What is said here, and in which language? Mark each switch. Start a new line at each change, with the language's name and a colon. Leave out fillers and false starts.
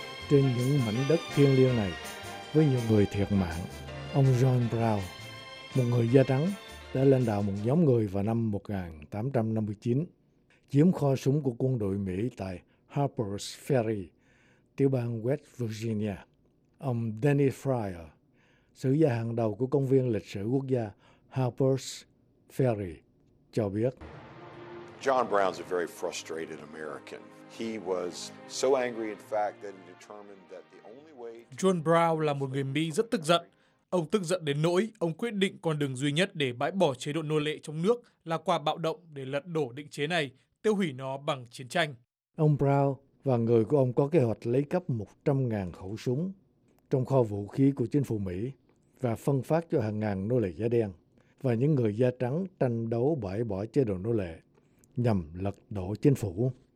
Vietnamese: Trên những mảnh đất thiêng liêng này, với nhiều người thiệt mạng, ông John Brown, một người da trắng, đã lãnh đạo một nhóm người vào năm 1859, chiếm kho súng của quân đội Mỹ tại Harper's Ferry, tiểu bang West Virginia. Ông Danny Fryer, sử gia hàng đầu của công viên lịch sử quốc gia Harper's Ferry, cho biết:
English: John Brown's a very frustrated American. He was so angry, in fact, that he determined that the only way.
Vietnamese: John Brown là một người Mỹ rất tức giận. Ông tức giận đến nỗi ông quyết định con đường duy nhất để bãi bỏ chế độ nô lệ trong nước là qua bạo động để lật đổ định chế này, tiêu hủy nó bằng chiến tranh. Ông Brown và người của ông có kế hoạch lấy cắp 100.000 khẩu súng trong kho vũ khí của chính phủ Mỹ và phân phát cho hàng ngàn nô lệ da đen và những người da trắng tranh đấu bãi bỏ chế độ nô lệ nhằm lật đổ chính phủ.